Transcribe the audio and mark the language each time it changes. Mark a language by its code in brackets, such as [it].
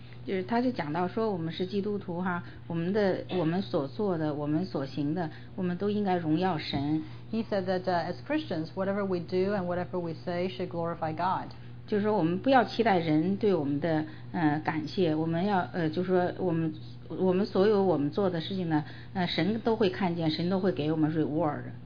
[zh] 就是他就讲到说，我们是基督徒哈，我们所做的，我们所行的，我们都应该荣耀神。 [en] He said that as Christians, whatever we do and whatever we say should glorify God. [zh] 就是说我们不要期待人对我们的感谢，我们要就是说我们所有我们做的事情呢，神都会看见，神都会给我们 reward.